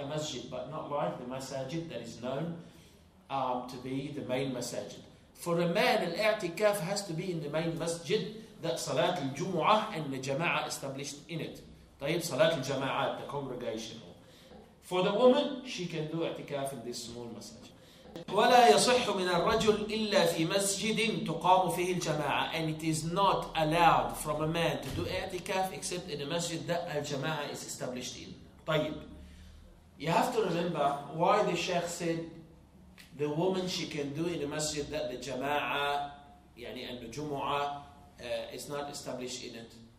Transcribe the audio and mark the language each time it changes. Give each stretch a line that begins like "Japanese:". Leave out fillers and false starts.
English: A masjid, but not like the masajid that is known to be the main masajid. For a man, an i'tikaf has to be in the main masjid that Salat al-Jum'ah and the jama'ah established in it. Tayyib, Salat al-Jama'at, the congregational. For the woman, she can do i'tikaf in this small masajid.
Arabic: ولا يصح من الرجل إلا في مسجد تقام فيه الجماعة.
English: And it is not allowed from a man to do i'tikaf except in a masjid that al-jama'a is established in.
Arabic: طيب.
English: You have to remember why the sheikh said the woman she can do in a masjid that the jama'a,
Arabic: يعني أن
English: jumu'ah is not established in it.